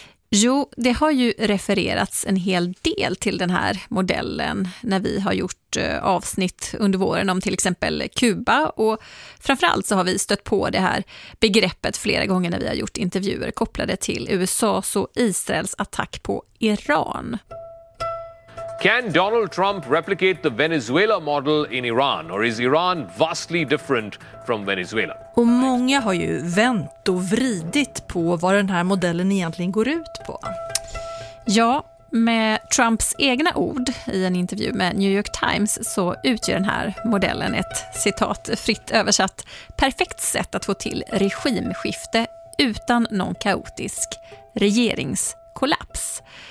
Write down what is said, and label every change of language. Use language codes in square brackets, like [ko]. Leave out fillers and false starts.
[sv] Jo, det har ju refererats en hel del till den här modellen när vi har gjort avsnitt under våren om till exempel Kuba, och framförallt så har vi stött på det här begreppet flera gånger när vi har gjort intervjuer kopplade till USA:s och Israels attack på Iran. [en] Can Donald Trump replicate the Venezuela model in Iran, or is Iran vastly different from Venezuela? [sv] Och många har ju vänt och vridit på vad den här modellen egentligen går ut på. Ja, med Trumps egna ord i en intervju med New York Times så utgör den här modellen ett, citat fritt översatt, perfekt sätt att få till regimskifte utan någon kaotisk regeringskollaps.